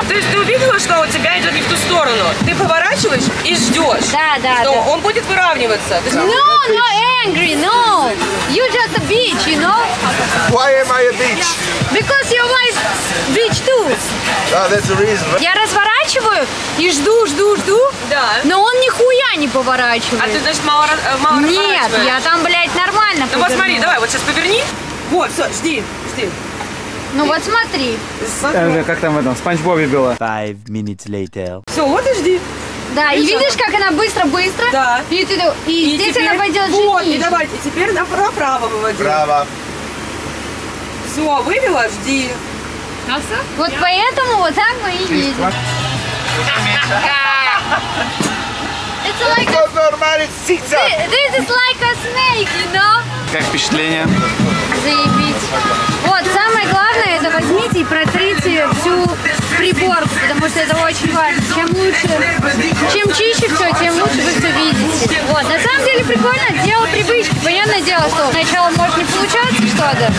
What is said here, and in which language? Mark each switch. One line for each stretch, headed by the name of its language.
Russian: То есть ты увидела, что у тебя идет не в ту сторону? Ты поворачиваешь и ждешь. Да, да, да. Он будет выравниваться.
English: No, no, angry, no. You just a bitch, you know? Why am I a bitch? Because your wife bitch too. Oh, that's the reason.
Russian: Я разворачиваю и жду, жду, жду. Да. Но он нихуя не поворачивает. А ты, значит, мало разворачиваешь? Нет, я там, блядь, нормально поверну. Ну, посмотри, давай, вот сейчас поверни. Вот, все, жди, жди. Ну, вот смотри. Как там в этом, Спанч Бобби было?
English: Five minutes later.
Russian: Все, вот и жди. Да, и видишь, как она быстро-быстро? Да. И здесь она пойдет жить. Вот, и давайте, теперь направо выводи. Право. Все, вывела, жди. Вот поэтому вот так мы и едем.
English: It's like a normal. This is like a snake, you know?
Russian: Как впечатление? Заебись. Вот, самое главное, это возьмите и протрите всю приборку, потому что это очень важно. Чем лучше, чем чище все, тем лучше вы все видите. Вот, на самом деле прикольно, дело привычки. Понятное дело, что сначала может не получаться что-то.